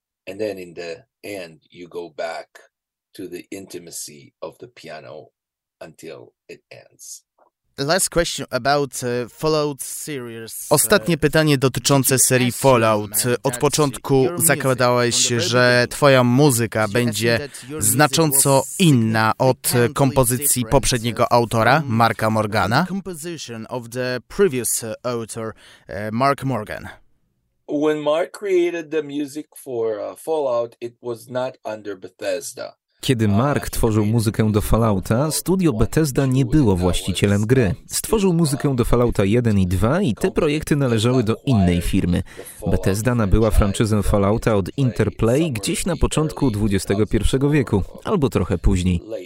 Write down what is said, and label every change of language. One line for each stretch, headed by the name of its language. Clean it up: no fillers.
English: And then in the end, you go back to the intimacy of the piano until it ends. Last question about Fallout series.
Polish: Ostatnie pytanie dotyczące serii Fallout. Od początku zakładałeś, że twoja muzyka będzie znacząco inna od kompozycji poprzedniego autora, Marka Morgana.
English: Composition of the previous author, Mark Morgan. When Mark created the music for Fallout, it was not under Bethesda.
Polish: Kiedy Mark tworzył muzykę do Fallouta, studio Bethesda nie było właścicielem gry. Stworzył muzykę do Fallouta 1 i 2 i te projekty należały do innej firmy. Bethesda nabyła franczyzę Fallouta od Interplay gdzieś na początku XXI wieku, albo trochę później.